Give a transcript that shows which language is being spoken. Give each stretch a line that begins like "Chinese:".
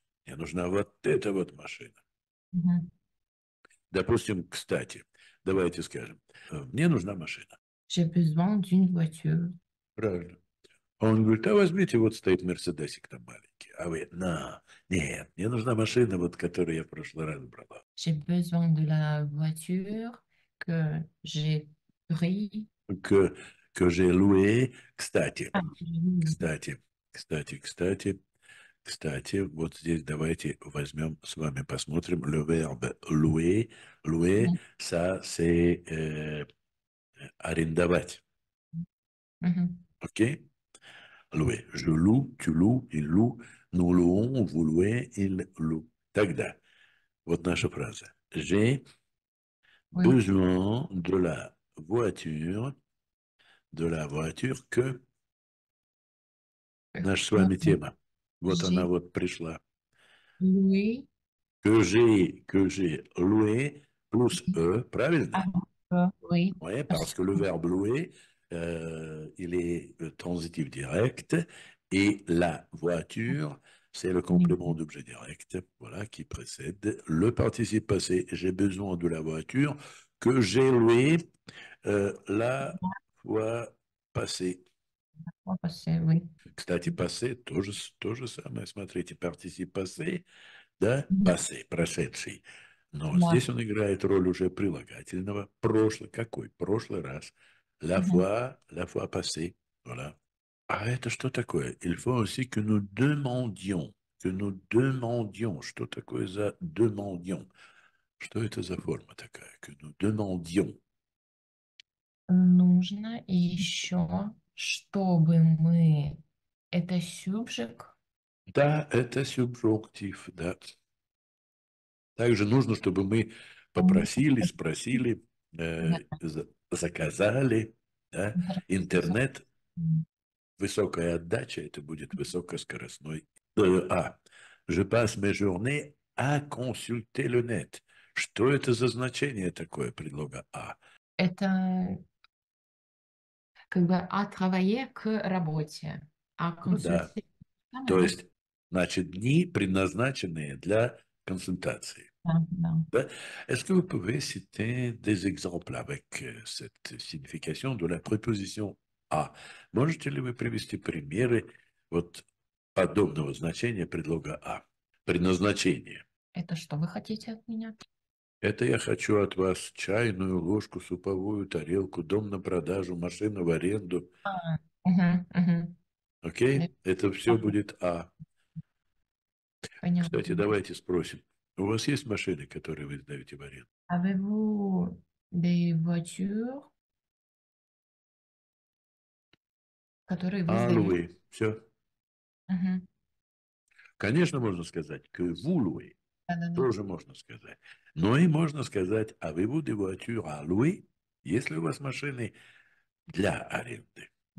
Russian: Мне нужна вот эта вот машина. Допустим, кстати, давайте скажем, мне нужна машина.
French: J'ai besoin d'une voiture.
Russian: Правильно. Он говорит, а возьмите, вот стоит Мерседесик там маленький. А вы, на, нет, мне нужна машина, вот которую я в прошлый раз брала.
French: J'ai besoin de la voiture que j'ai pris. Que j'ai loué.
Russian: Кстати,
French: Ah,
Russian: кстати, кстати, кстати, кстати, вот здесь давайте возьмем с вами, посмотрим.
French: Le verbe louer, louer, ça, c'est
Russian: арендовать. Окей?
French: Louer. Je loue, tu loues, il loue, nous louons, vous louez, il loue.
Russian: Тогда, вот наша фраза.
French: J'ai besoin de la voiture. De la voiture que
Russian: naша с вами тема. Вот она
French: J'ai
Russian: вот пришла.
French: loué. Que j'ai loué plus e, Ah,
Russian: правильно?
French: oui. Oui, parce que le verbe louer, il est transitif direct. Et la voiture, c'est le complément d'objet direct, voilà, qui précède le participe passé. J'ai besoin de la voiture que j'ai louée la fois passé. Passer, oui.
Russian: Кстати, passé, то же самое. Смотрите, participe passé, да, passé, прошедший. Но здесь он играет роль уже прилагательного. Прошлый, какой? Прошлый раз.
French: La fois passé. Voilà.
Russian: А это что такое?
French: Il faut aussi que nous demandions. Que nous demandions.
Russian: Что такое за demandions? Что это за форма такая?
French: Que nous demandions.
Russian: Нужно еще, чтобы мы это сюбжик. Да, это субжонктив, да. Также нужно, чтобы мы попросили, спросили, заказали, да, интернет. высокая отдача, это будет высокоскоростной.
French: Je passe mes journées à consulter le net.
Russian: Что это за значение такое предлога «а»? Это как бы «а travailler» к работе, «а consulter». То есть, значит, дни, предназначенные для консультации.
French: Est-ce que vous pouvez citer des exemples avec cette signification de la préposition «а»?
Russian: Можете ли вы привести примеры вот подобного значения предлога «а»? Предназначение. Это что вы хотите от меня? Это я хочу от вас чайную ложку, суповую тарелку, дом на продажу, машину в аренду. Окей? Это все будет «а». Понятно. Кстати, давайте спросим. У вас есть машины, которые вы сдаете в аренду?
French: Avez-vous des voitures,
Russian: которые вы
French: «А
Russian: сдаете?» Все. Конечно, можно сказать
French: «que vous louez».
Russian: Тоже можно сказать. Но и можно сказать
French: «avez-vous des voitures à louer?»
Russian: Есть ли у вас машины для аренды?